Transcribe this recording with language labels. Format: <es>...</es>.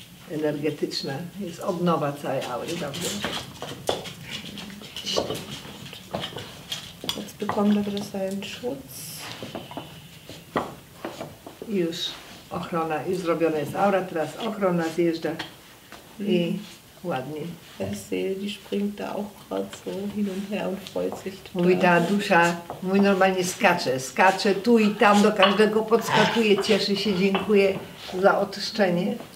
<pl>energetyczna, jest odnowa całej aury, dobrze?</pl> <de>Jetzt bekommt er seinen Schutz.</de> <pl>Już ochrona, już zrobiona jest aura, teraz ochrona zjeżdża i ładnie.</pl> <de>Ja sehe, die springt da auch gerade so hin und her und freut sich.</de> <pl>Mówi ta dusza, mój normalnie skacze, skacze tu i tam, do każdego podskakuje, cieszy się, dziękuję za oczyszczenie.</pl>